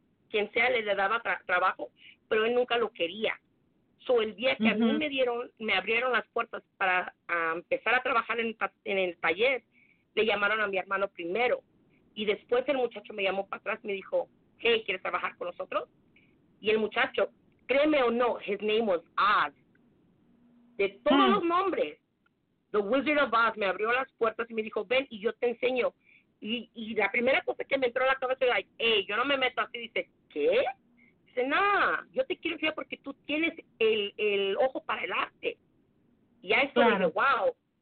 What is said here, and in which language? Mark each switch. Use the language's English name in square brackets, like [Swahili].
[Spanish] Quien sea le daba trabajo, pero él nunca lo quería. So, el día que uh-huh. a mí me abrieron las puertas para empezar a trabajar en el taller, le llamaron a mi hermano primero. Y después el muchacho me llamó para atrás y me dijo, hey, ¿quieres trabajar con nosotros? Y el muchacho, créeme o no, [English] his name was Oz. [Spanish] De todos uh-huh. los nombres, The Wizard of Oz me abrió las puertas y me dijo, ven y yo te enseño. Y la primera cosa que me entró a la cabeza, [English] like, hey, [Spanish] yo no me meto así. Dice, ¿qué? Dice, nah, yo te quiero enseñar porque tú tienes el ojo para el arte. Y a eso claro. Dije, wow.